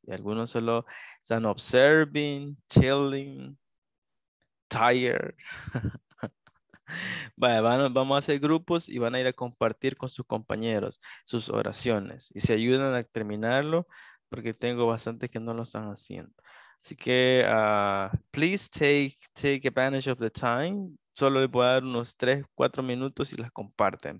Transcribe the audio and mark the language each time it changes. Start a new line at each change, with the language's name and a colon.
Spanish: Y algunos solo están
English: observing, chilling, tired.
Spanish: Vale, vamos a hacer grupos y van a ir a compartir con sus compañeros sus oraciones y se ayudan a terminarlo porque tengo bastantes que no lo están haciendo. Así que
English: please take advantage of the time.
Spanish: Solo les voy a dar unos 3-4 minutos y las comparten.